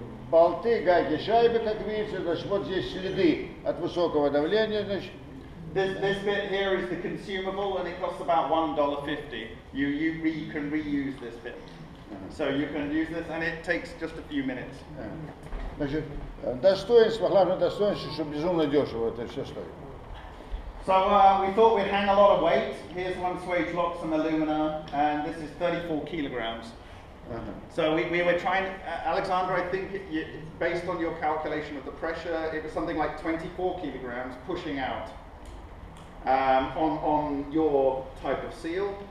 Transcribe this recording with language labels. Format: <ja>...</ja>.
<ru>Болты, гайки, шайбы, как видите, значит, вот здесь следы от высокого давления, значит.</ru> <en>This bit here is the consumable, and it costs about $1.50. You can reuse this bit. So you can use this, and it takes just a few minutes.</en> <ru>Значит, достоинство, главное достоинство, что безумно дешево, это все стоит.</ru> <en>So we thought we'd hang a lot of weight. Here's one swage lock, some alumina, and this is 34 kilograms. Uh-huh. So we were trying, Alexander, I think based on your calculation of the pressure, it was something like 24 kilograms pushing out on your type of seal.</en>